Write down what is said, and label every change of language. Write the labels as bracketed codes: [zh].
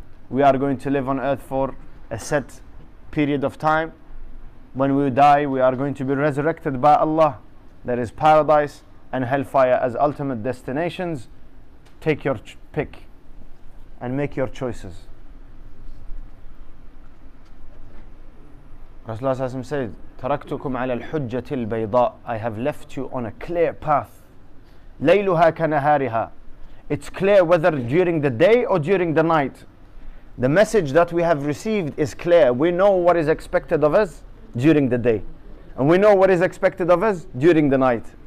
[en] We are going to live on earth for a set period of time. When we die, we are going to be resurrected by Allah. There is paradise and hellfire as ultimate destinations. Take your pick and make your choices. Rasulullah said, [ar] تَرَكْتُكُمْ عَلَى الْحُجَّةِ الْبَيْضَاءِ. [en] I have left you on a clear path. [ar] لَيْلُهَا كَنَهَارِهَا. [en] It's clear whether during the day or during the night. The message that we have received is clear. We know what is expected of us during the day. And we know what is expected of us during the night.